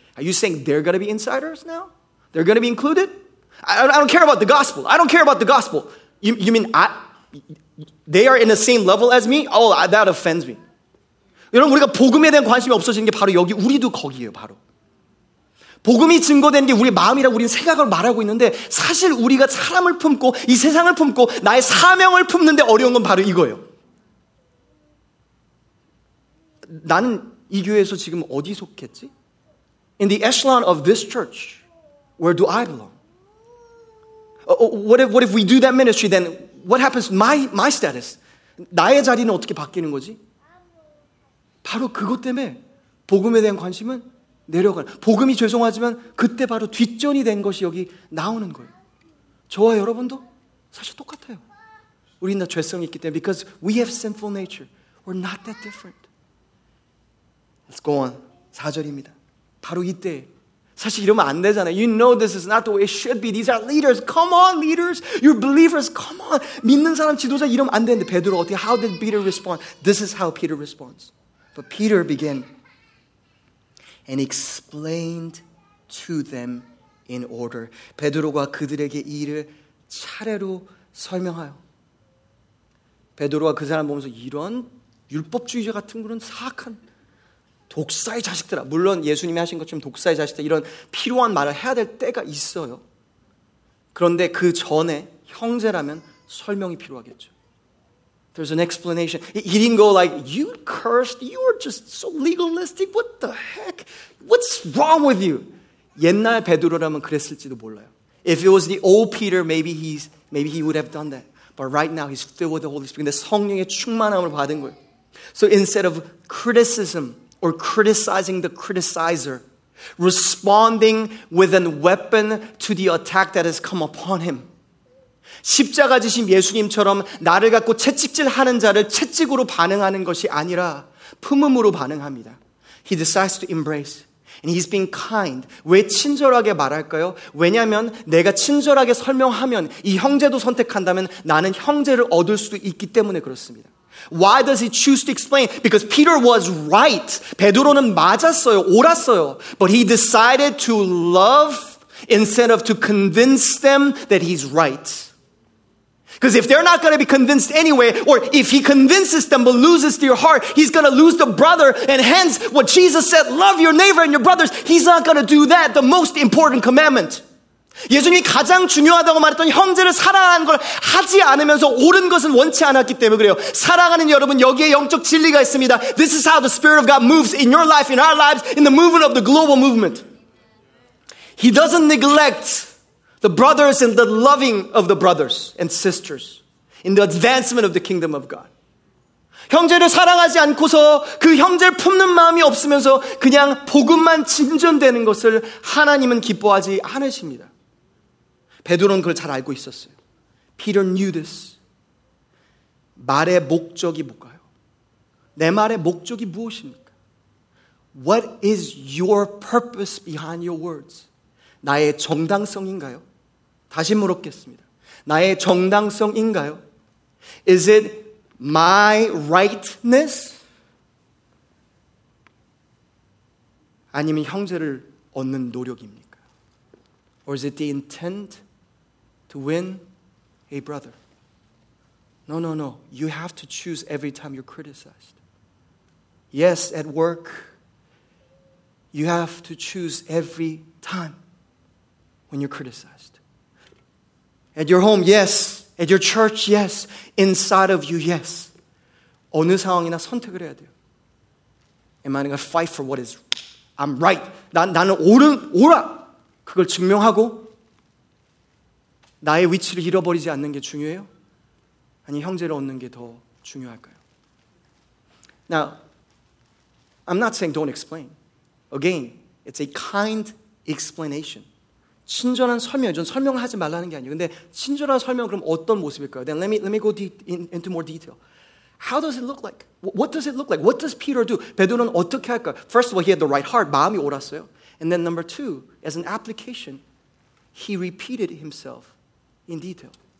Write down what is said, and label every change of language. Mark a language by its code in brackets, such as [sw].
[en] Are you saying they're going to be insiders now? They're going to be included? I don't care about the gospel. I don't care about the gospel. You mean I? They are in the same level as me? Oh, that offends me. [ko] 여러분, 우리가 복음에 대한 관심이 없어지는 게 바로 여기, 우리도 거기예요, 바로. 복음이 증거되는 게 우리 마음이라고 우리는 생각을 말하고 있는데 사실 우리가 사람을 품고 이 세상을 품고 나의 사명을 품는데 어려운 건 바로 이거예요. 나는 이 교회에서 지금 어디 속했지? [en] In the echelon of this church, where do I belong? What if we do that ministry, then what happens to my status? [ko] 나의 자리는 어떻게 바뀌는 거지? 바로 그것 때문에 복음에 대한 관심은 내려가요. 복음이 죄송하지만 그때 바로 뒷전이 된 것이 여기 나오는 거예요. 저와 여러분도 사실 똑같아요. 우리는 다 죄성이 있기 때문에 [en] because we have sinful nature. We're not that different. Let's go on. [ko] 4절입니다. 바로 이때 사실 이러면 안 되잖아요. [en] You know this is not the way it should be. These are leaders. Come on, leaders. You're believers. Come on. [ko] 믿는 사람 지도자 이러면 안 되는데 베드로 어떻게 [en] how did Peter respond? This is how Peter responds. But Peter began and explained to them in order. [ko] 베드로가 그들에게 이를 차례로 설명하여. 베드로가 그 사람 보면서 이런 율법주의자 같은 그런 사악한 독사의 자식들아. 물론 예수님이 하신 것처럼 독사의 자식들 이런 필요한 말을 해야 될 때가 있어요. 그런데 그 전에 형제라면 설명이 필요하겠죠. [en] There's an explanation. He didn't go like, you cursed, you are just so legalistic, what the heck? What's wrong with you? [ko] 옛날 베드로라면 그랬을지도 몰라요. [en] If it was the old Peter, maybe he would have done that. But right now, he's filled with the Holy Spirit. [ko] 근데 성령의 충만함을 받은 거예요. [en] So instead of criticism or criticizing the criticizer, responding with a weapon to the attack that has come upon him, [ko] 십자가 지신 예수님처럼 나를 갖고 채찍질하는 자를 채찍으로 반응하는 것이 아니라 품음으로 반응합니다. [en] He decides to embrace. And he's being kind. [ko] 왜 친절하게 말할까요? 왜냐하면 내가 친절하게 설명하면 이 형제도 선택한다면 나는 형제를 얻을 수도 있기 때문에 그렇습니다. [en] Why does he choose to explain? Because Peter was right. [ko] 베드로는 맞았어요. 옳았어요. [en] But he decided to love instead of to convince them that he's right. Because if they're not going to be convinced anyway, or if he convinces them but loses their heart, he's going to lose the brother. And hence, what Jesus said, love your neighbor and your brothers, he's not going to do that, the most important commandment. [ko] 예수님이 가장 중요하다고 말했던 형제를 사랑하는 걸 하지 않으면서 옳은 것은 원치 않았기 때문에 그래요. 사랑하는 여러분, 여기에 영적 진리가 있습니다. [en] This is how the Spirit of God moves in your life, in our lives, in the movement of the global movement. He doesn't neglect the brothers and the loving of the brothers and sisters in the advancement of the kingdom of God. [ko] 형제를 사랑하지 않고서 그 형제를 품는 마음이 없으면서 그냥 복음만 진전되는 것을 하나님은 기뻐하지 않으십니다. 베드로는 그걸 잘 알고 있었어요. [en] Peter knew this. [ko] 말의 목적이 뭘까요? 내 말의 목적이 무엇입니까? [en] What is your purpose behind your words? [ko] 나의 정당성인가요? 다시 물었겠습니다. 나의 정당성인가요? [en] Is it my rightness? [ko] 아니면 형제를 얻는 노력입니까? [en] Or is it the intent to win a brother? No, no, no. You have to choose every time you're criticized. Yes, at work, you have to choose every time when you're criticized. At your home, yes. At your church, yes. Inside of you, yes. [ko] 어느 상황이나 선택을 해야 돼요. [en] Am I going to fight for what is I'm right. [ko] 나는 옳아. 그걸 증명하고 나의 위치를 잃어버리지 않는 게 중요해요? 아니, 형제를 얻는 게 더 중요할까요? [en] Now, I'm not saying don't explain. Again, it's a kind explanation. [ko] 친절한 설명. 전 설명을 하지 말라는 게 아니에요. 근데 친절한 설명 그럼 어떤 모습일까요? [en] Then let me go into more detail. How does it look like? What does it look like? What does Peter do? [ko] 베드로는 어떻게 할까? [en] First of all, he had the right heart. [ko] 마음이 옳았어요. [en] And then number two, as an application, he repeated himself in detail.